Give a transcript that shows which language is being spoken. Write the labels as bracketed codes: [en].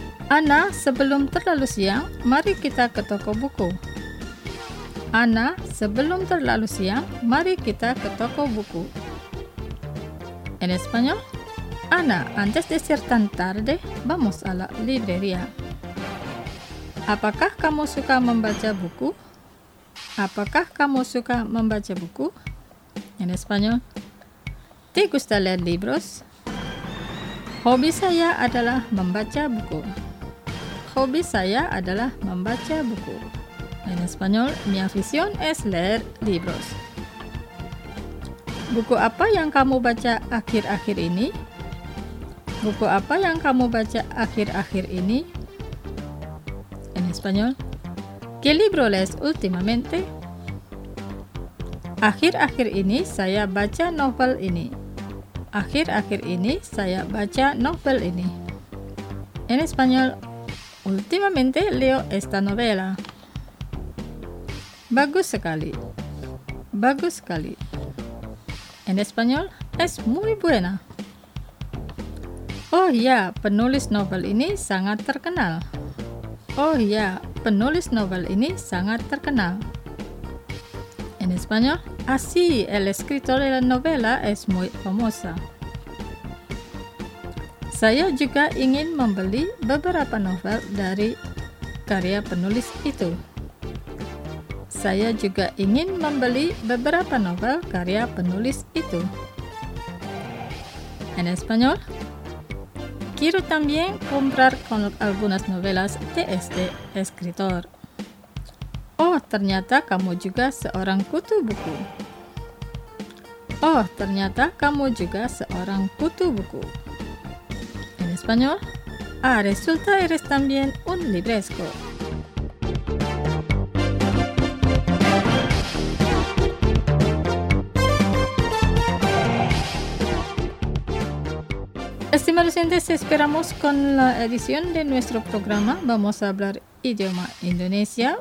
[id] Anna, sebelum terlalu siang, mari kita ke Tokobuku. Anna, sebelum terlalu siang, mari kita ke toko buku. [es] En español, Anna, antes de ser tan tarde, vamos a la librería. [id] Apakah kamu suka membaca buku? Apakah kamu suka membaca buku? [es] En español, ¿te gusta leer libros? [id] Hobi saya adalah membaca buku. Hobi saya adalah membaca buku. [es] En español, mi afición es leer libros. [id] Buku apa yang kamu baca akhir-akhir ini? Buku apa yang kamu baca akhir-akhir ini? [es] En español, ¿qué libro lees últimamente? [id] Akhir-akhir ini saya baca novel ini. Akhir-akhir ini saya baca novel ini. [es] En español, últimamente leo esta novela. [id] Bagus sekali. Bagus sekali. [es] En español, es muy buena. [id] Oh ya, penulis novel ini sangat terkenal. Oh ya, penulis novel ini sangat terkenal. [es] En español, así, el escritor de la novela es muy famosa. [id] Saya juga ingin membeli beberapa novel dari karya penulis itu. Saya juga ingin membeli beberapa novel karya penulis itu. [es] En español, quiero también comprar con algunas novelas de este escritor. [id] Oh, ternyata kamu juga seorang kutu buku. Oh, ternyata kamu juga seorang kutu buku. [es] En español, ah, resulta eres también un libresco. Estimados oyentes, esperamos con la edición de nuestro programa Vamos a hablar idioma indonesia.